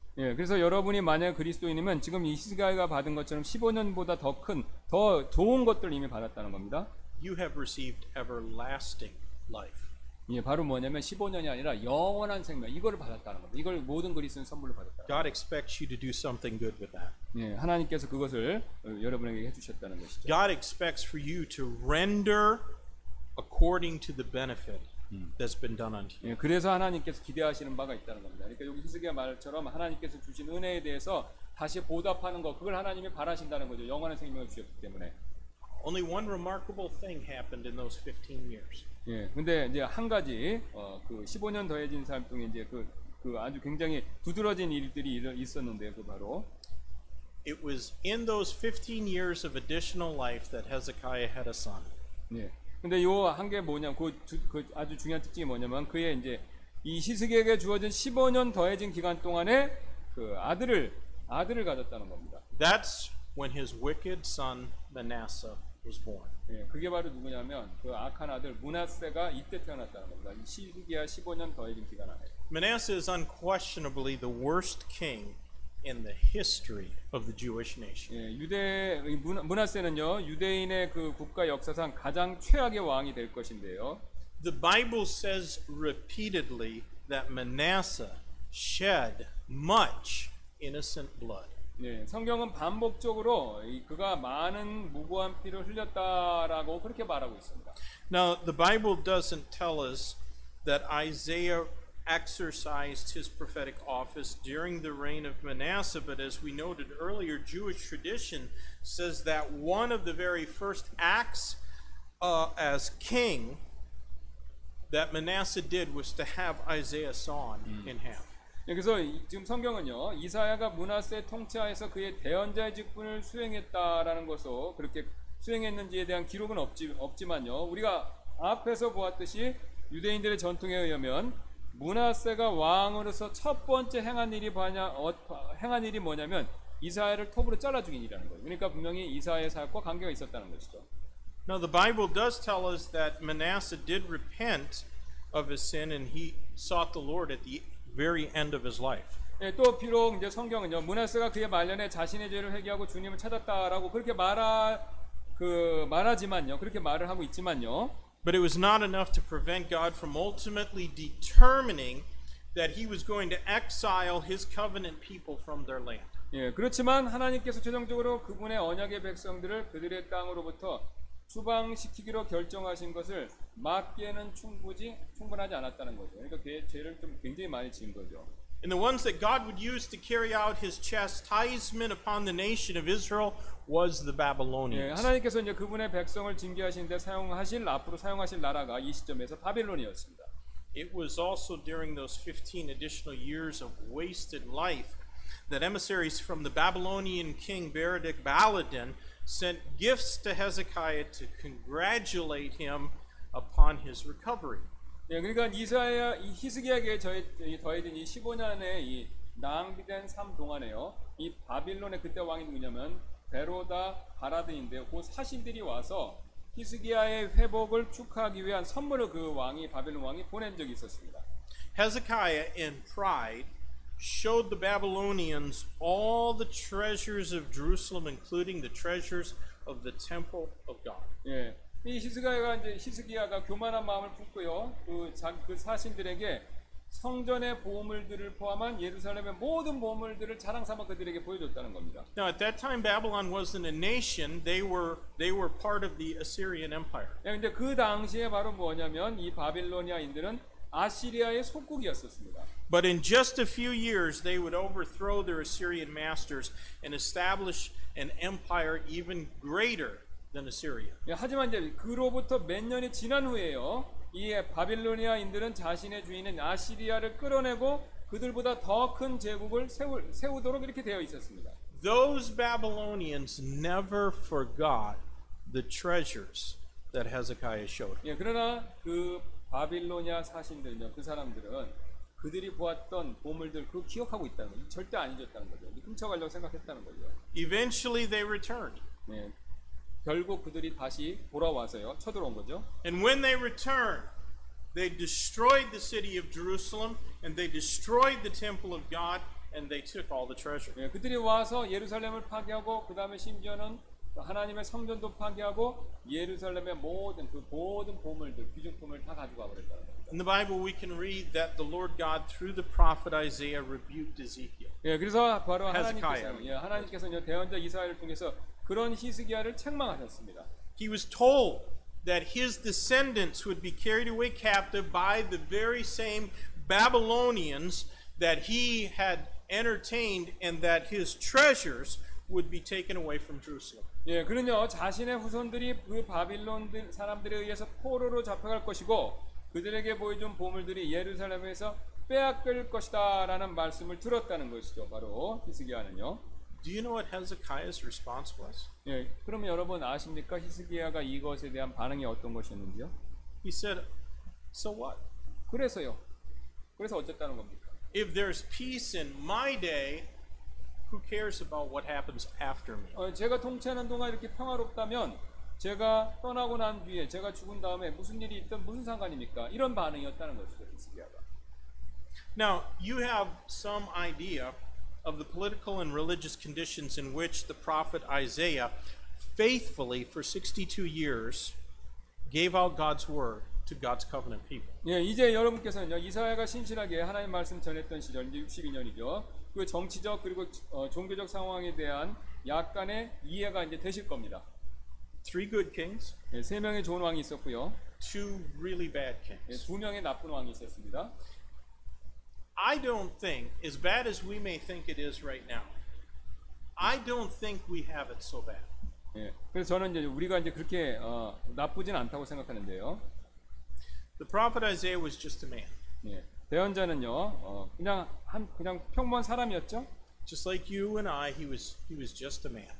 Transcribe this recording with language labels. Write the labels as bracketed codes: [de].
[ko] 예, 그래서 여러분이 만약 그리스도인이면 지금 이 히스기야가 받은 것처럼 15년보다 더 큰, 더 좋은 것들 이미 받았다는 겁니다. [en] You have received everlasting life. [ko] 예, 바로 뭐냐면 15년이 아니라 영원한 생명 이거를 받았다는 겁니다. 이걸 모든 그리스도인 선물로 받았다. [en] God expects you to do something good with that. [ko] 예, 하나님께서 그것을 여러분에게 해주셨다는 것이죠. [en] God expects for you to render according to the benefit that's been done unto you. [ko] 예, 그래서 하나님께서 기대하시는 바가 있다는 겁니다. 그러니까 여기 히스기야 말처럼 하나님께서 주신 은혜에 대해서 다시 보답하는 것 그걸 하나님이 바라신다는 거죠. 영원한 생명을 주셨기 때문에. [en] Only one remarkable thing happened in those 15 years. [ko] 예, 근데 이제 한 가지 그 15년 더해진 삶 중에 이제 그 아주 굉장히 두드러진 일들이 있었는데 그 바로 [en] It was in those 15 years of additional life that Hezekiah had a son. [ko] 예. 근데 요 한 게 뭐냐면 그 아주 중요한 특징이 뭐냐면 그의 이제 이 히스기야에게 주어진 15년 더해진 기간 동안에 그 아들을 가졌다는 겁니다. [en] That's when his wicked son Manasseh was born. [ko] 예, 그게 바로 누구냐면 그 악한 아들 므낫세가 이때 태어났다는 겁니다. 히스기야 15년 더해진 기간 안에. [en] Manasseh is unquestionably the worst king in the history of the Jewish nation. [ko] 예, 유대 므낫세는요. 유대인의 그 국가 역사상 가장 최악의 왕이 될 것인데요. [en] The Bible says repeatedly that Manasseh shed much innocent blood. [ko] 네, 성경은 반복적으로 그가 많은 무고한 피를 흘렸다라고 그렇게 말하고 있습니다. [en] Now the Bible doesn't tell us that Isaiah exercised his prophetic office during the reign of Manasseh, but as we noted earlier, Jewish tradition says that one of the very first acts as king that Manasseh did was to have Isaiah sawn in half. [ko] 그래서 지금 성경은요, 이사야가 므낫세 통치하에서 그의 대언자의 직분을 수행했다라는 것으로 그렇게 수행했는지에 대한 기록은 없지만요, 우리가 앞에서 보았듯이 유대인들의 전통에 의하면 므낫세가 왕으로서 첫 번째 행한 일이 뭐냐면 이사야를 톱으로 잘라 죽인 일이라는 거예요. 그러니까 분명히 이사야의 사역과 관계가 있었다는 것이죠. [en] Now the Bible does tell us that Manasseh did repent of his sin and he sought the Lord at the very end of his life. [ko] 예, 또 비록 이제 성경은요, 므낫세가 그의 말년에 자신의 죄를 회개하고 주님을 찾았다라고 그렇게 말하지만요. 그렇게 말을 하고 있지만요. [en] But it was not enough to prevent God from ultimately determining that he was going to exile his covenant people from their land. [ko] 예, 그렇지만 하나님께서 최종적으로 그분의 언약의 백성들을 그들의 땅으로부터 추방시키기로 결정하신 것을 막기에는 충분하지 않았다는 거죠. 그러니까 죄를 좀 굉장히 많이 지은 거죠. [en] And the ones that God would use to carry out his chastisement upon the nation of Israel was the Babylonians. [ko] 예, 하나님께서 이제 그분의 백성을 징계하신 데 앞으로 사용하실 나라가 이 시점에서 바빌론이었습니다. [en] It was also during those 15 additional years of wasted life that emissaries from the Babylonian king Beredek-Baladan sent gifts to Hezekiah to congratulate him upon his recovery. [ko] 예, 그러니까 이사야 히스기야에게 더해진 이 15년의 이 낭비된 삶 동안에요. 이 바빌론의 그때 왕이 누구냐면 베로다 바라드인데 그 사신들이 와서 히스기야의 회복을 축하하기 위한 선물을 그 왕이 바빌론 왕이 보낸 적이 있었습니다. [en] Hezekiah in pride showed the Babylonians all the treasures of Jerusalem including the treasures of the temple of God. [ko] 예. 이 히스기야가 교만한 마음을 품고요. 그 사신들에게 성전의 보물들을 포함한 예루살렘의 모든 보물들을 자랑삼아 그들에게 보여줬다는 겁니다. [en] Now at that time Babylon wasn't a nation. They were part of the Assyrian Empire. [ko] 예, 근데 그 당시에 바로 뭐냐면 이 바빌로니아인들은 아시리아의 속국이었었습니다. [en] But in just a few years they would overthrow their Assyrian masters and establish an empire even greater than Assyria. [ko] 예, 하지만 이제 그로부터 몇 년이 지난 후에요. 이 바빌로니아인들은 자신의 주인인 아시리아를 끌어내고 그들보다 더 큰 제국을 세우도록 이렇게 되어 있었습니다. [en] Those Babylonians never forgot the treasures that Hezekiah showed. [ko] 예, 그러나 그 바빌로니아 사신들은요, 그 사람들은 그들이 보았던 보물들 그 기억하고 있다는 거죠. 절대 안 잊었다는 거죠. 훔쳐가려고 생각했다는 거죠. [en] Eventually they returned. [ko] 네, 결국 그들이 다시 돌아와서요, 쳐들어온 거죠. [en] And when they returned, they destroyed the city of Jerusalem and they destroyed the temple of God and they took all the treasure. [ko] 네, 그들이 와서 예루살렘을 파괴하고 그 다음에 심지어는 하나님의 성전도 파괴하고 예루살렘의 모든 그 모든 보물들 귀중품을 다 가져가 버렸다는 거예요. [en] In the Bible, we can read that the Lord God through the prophet Isaiah rebuked Ezekiel. [ko] 예, 그래서 바로 하나님께서는 대언자 이사야를 통해서 그런 히스기야를 책망하셨습니다. [en] He was told that his descendants would be carried away captive by the very same Babylonians that he had entertained, and that his treasures would be taken away from Jerusalem. [ko] 예, 그는요 자신의 후손들이 그 바빌론 사람들에 의해서 포로로 잡혀갈 것이고 그들에게 보여준 보물들이 예루살렘에서 빼앗길 것이다라는 말씀을 들었다는 것이죠. 바로 히스기야는요. [en] Do you know what Hezekiah's response was? [ko] 예, 그럼 여러분 아십니까? 히스기야가 이것에 대한 반응이 어떤 것이었는지요? [en] He said, "So what?" [ko] 그래서요. 그래서 어쨌다는 겁니까? [en] If there's peace in my day, who cares about what happens after me? [ko] 제가 통치하는 동안 이렇게 평화롭다면 제가 떠나고 난 뒤에 제가 죽은 다음에 무슨 일이 있든 무슨 상관입니까? 이런 반응이었다는 것이죠, 히스기야가. [en] Now, you have some idea of the political and religious conditions in which the prophet Isaiah faithfully for 62 years gave out God's word to God's covenant people. [ko] 예, 이제 여러분께서는요, 이사야가 신실하게 하나님의 말씀 전했던 시절, 62년이죠. 그 정치적 그리고 종교적 상황에 대한 약간의 이해가 이제 되실 겁니다. [en] Three good kings. [ko] 예, 세 명의 좋은 왕이 있었고요. [en] Two really bad kings. [ko] 예, 두 명의 나쁜 왕이 있었습니다. [en] I don't think, as bad as we may think it is right now, I don't think we have it so bad. [ko] 예, 그래서 저는 이제 우리가 이제 그렇게 나쁘진 않다고 생각하는데요. [en] The prophet Isaiah was just a man. [ko] 예, 대언자는요, 그냥 평범한 사람이었죠. [en] Just like you and I, he was just a man.